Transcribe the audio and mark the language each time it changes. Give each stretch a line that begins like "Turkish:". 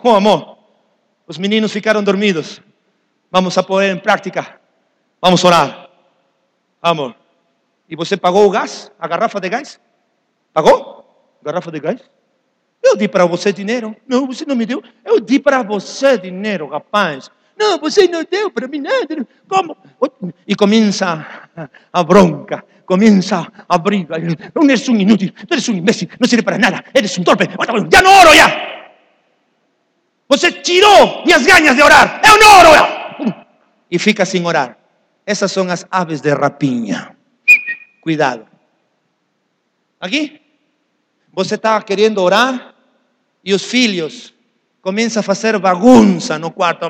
Portuguese: Oh, amor, os meninos ficaram dormidos. Vamos a pôr em prática. Vamos orar. Amor. E você pagou o gás? A garrafa de gás? Pagou? Garrafa de gás? Eu di para você dinheiro. Não, você não me deu. Eu di para você dinheiro, rapaz. Não, você não deu para mim nada. Como? E começa a bronca.
Spanish: Comienza a brigar. No eres un inútil, no eres un imbécil, no sirve para nada, eres un torpe. Ya no oro ya.
Portuguese: Você
Spanish: tiró mis ganas de orar. Yo no oro ya. Y
Portuguese: fica
Spanish: sin orar. Esas son las aves de rapiña. Cuidado. Aquí. Você estaba queriendo orar y los
Portuguese: filhos
Spanish: comienzan a hacer bagunza en el cuarto.